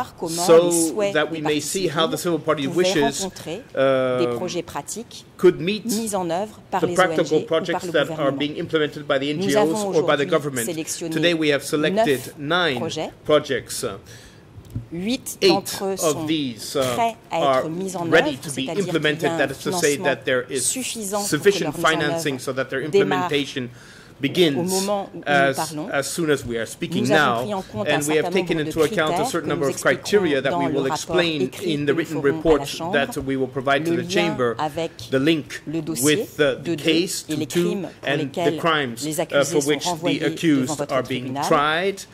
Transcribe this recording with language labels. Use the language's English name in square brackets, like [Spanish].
[English] so that we may see how the civil party wishes could meet the practical projects that are being implemented by the NGOs or by the government. Today we have selected 9 projects. [French] 8 d'entre eux sont prêts à être mis en œuvre, c'est-à-dire qu'il y a un financement suffisant pour que leur mise en œuvre démarre [English] begins [French] au moment où [English] as soon as we are speaking now, and we have taken into account a certain number of criteria that we will explain in the written report that we will provide to the chamber, the link with the case to Duch and the crimes for which the accused are being tried,